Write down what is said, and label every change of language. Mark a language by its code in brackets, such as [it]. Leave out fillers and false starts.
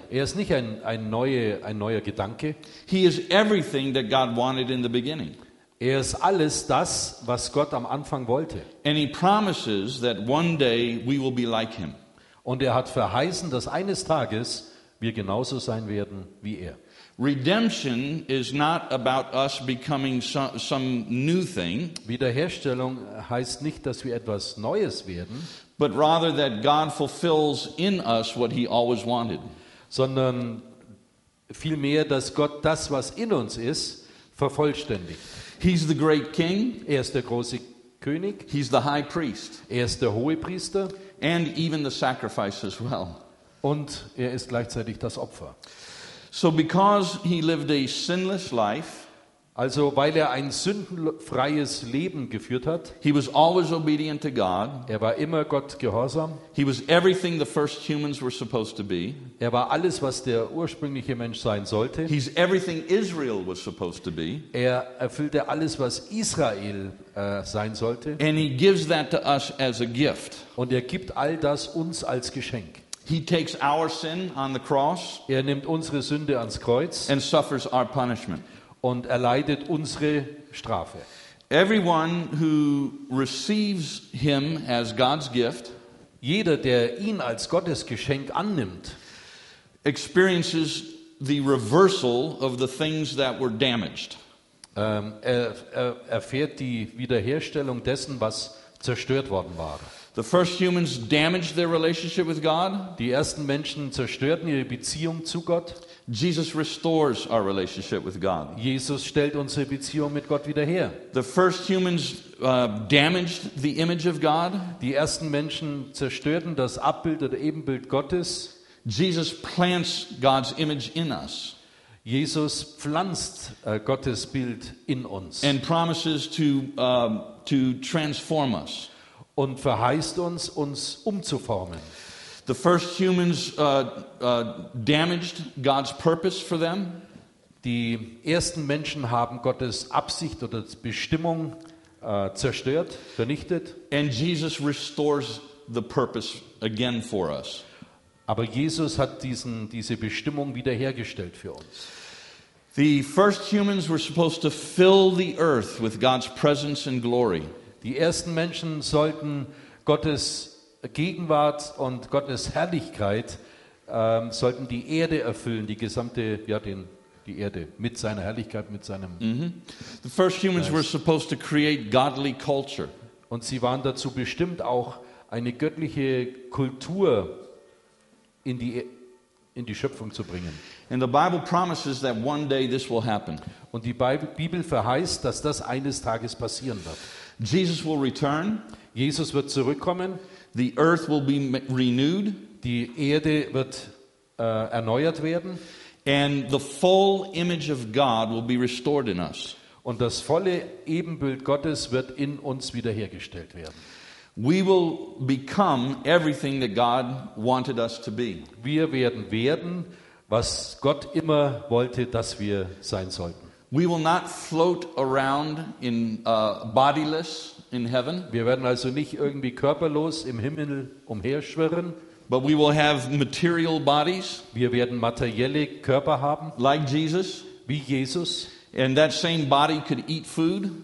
[de] Er ist nicht ein neuer Gedanke. [en] He is everything that God wanted in the beginning. [de] Er ist alles das, was Gott am Anfang wollte. [en] And he promises that one day we will be like him. [de] Und er hat verheißen, dass eines Tages wir genauso sein werden wie er. [en] Redemption is not about us becoming some new thing. [de] Wiederherstellung heißt nicht, dass wir etwas Neues werden, [en] but rather that God fulfills in us what he always wanted. [de] Sondern vielmehr, dass Gott das, was in uns ist, vervollständigt. [en] He's the great king. [de] Er ist der große König. [en] He's the high priest. [de] Er ist der hohe Priester. [en] And even the sacrifice as well. [de] Und er ist gleichzeitig das Opfer. [en] So because he lived a sinless life, [de] also weil er ein sündenfreies Leben geführt hat, [en] he was always obedient to God. [de] Er war immer Gott gehorsam. [en] He was everything the first humans were supposed to be. [de] Er war alles, was der ursprüngliche Mensch sein sollte. [en] He's everything Israel was supposed to be. [de] Er erfüllte alles, was Israel sein sollte. [en] And he gives that to us as a gift. [de] Und er gibt all das uns als Geschenk. [en] He takes our sin on the cross. [de] Er nimmt unsere Sünde ans Kreuz. [en] And suffers our punishment. [de] Und erleidet unsere Strafe. [en] Everyone who receives him as God's gift, [de] jeder, der ihn als Gottes Geschenk annimmt, [en] experiences the reversal of the things that were damaged. [de] Erfährt die Wiederherstellung dessen, was zerstört worden war. [en] The first humans damaged their relationship with God. [de] Die ersten Menschen zerstörten ihre Beziehung zu Gott. [en] Jesus restores our relationship with God. [de] Jesus stellt unsere Beziehung mit Gott wieder her. [en] The first humans damaged the image of God. [de] Die ersten Menschen zerstörten das Abbild oder Ebenbild Gottes. [en] Jesus plants God's image in us. [de] Jesus pflanzt Gottes Bild in uns. [en] And promises to transform us. [de] Und verheißt uns, uns umzuformen. [en] The first humans damaged God's purpose for them. [de] Die ersten Menschen haben Gottes Absicht oder Bestimmung zerstört, vernichtet. [en] And Jesus restores the purpose again for us. [de] Aber Jesus hat diese Bestimmung wiederhergestellt für uns. [en] The first humans were supposed to fill the earth with God's presence and glory. [de] Die ersten Menschen sollten Gottes Gegenwart und Gottes Herrlichkeit sollten die Erde erfüllen, die gesamte, ja, die Erde mit seiner Herrlichkeit, mit seinem. Mm-hmm. [en] The first humans were supposed to create godly culture. [de] Und sie waren dazu bestimmt, auch eine göttliche Kultur in die Schöpfung zu bringen. [en] And the Bible promises that one day this will happen. [de] Und die Bibel verheißt, dass das eines Tages passieren wird. [en] Jesus will return. [de] Jesus wird zurückkommen. [en] The earth will be renewed. [de] Die Erde wird erneuert werden. [en] And the full image of God will be restored in us. [de] Und das volle Ebenbild Gottes wird in uns wiederhergestellt werden. [en] We will become everything that God wanted us to be. [de] Wir werden werden, was Gott immer wollte, dass wir sein sollten. [en] We will not float around in bodiless in heaven. [de] Wir werden also nicht irgendwie körperlos im Himmel umherschwirren. [en] But we will have material bodies. [de] Wir werden materielle Körper haben. [en] Like Jesus. [de] Wie Jesus. [en] And that same body could eat food.